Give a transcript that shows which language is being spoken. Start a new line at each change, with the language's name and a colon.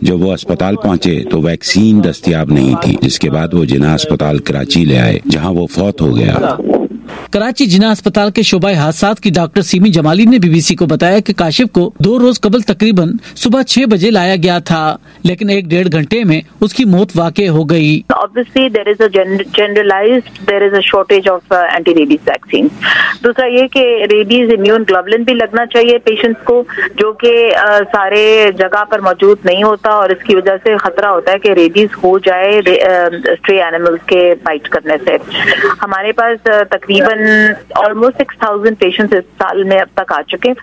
Urdu: جب وہ اسپتال پہنچے تو ویکسین دستیاب نہیں تھی جس کے بعد وہ جناح اسپتال کراچی لے آئے جہاں وہ فوت ہو گیا. کراچی جناح اسپتال کے شعبہ حادثات کی ڈاکٹر سیمی جمالی نے بی بی سی کو بتایا کہ کاشف کو دو روز قبل تقریباً صبح 6 بجے لایا گیا تھا لیکن 1.5 گھنٹے میں اس کی موت واقع ہو گئی.
English: Obviously there is a generalized, there is a shortage of anti-rabies vaccine.
Urdu: دوسرا یہ کہ ریبیز امیون گلوبلن بھی لگنا چاہیے پیشنٹس کو جو کہ سارے جگہ پر موجود نہیں ہوتا اور اس کی وجہ سے خطرہ ہوتا ہے کہ ریبیز ہو جائے اسٹری اینیملز کے بائٹ کرنے سے. ہمارے پاس تقریباً آلموسٹ 6,000 پیشنٹس اس سال میں اب تک آ چکے.